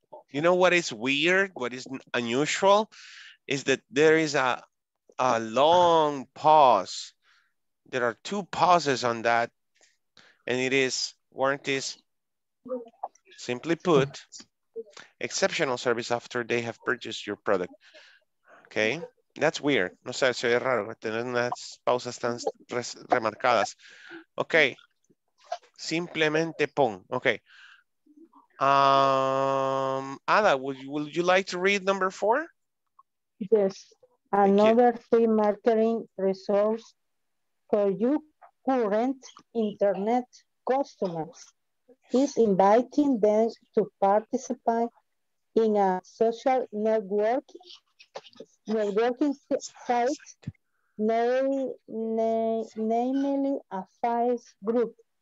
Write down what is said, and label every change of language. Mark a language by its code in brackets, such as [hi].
[en] You know what is weird, what is unusual, is that there is a long pause. There are two pauses on that, and it is warranties. Simply put, exceptional service after they have purchased your product. Okay, that's weird. [es] No sé, se oye raro tener unas pausas tan remarcadas. Okay, simplemente pon. Okay. [en] Ada, would you like to read number four? Yes, another free marketing resource for you current internet customers is inviting them to participate in a social networking site, namely a Facebook group.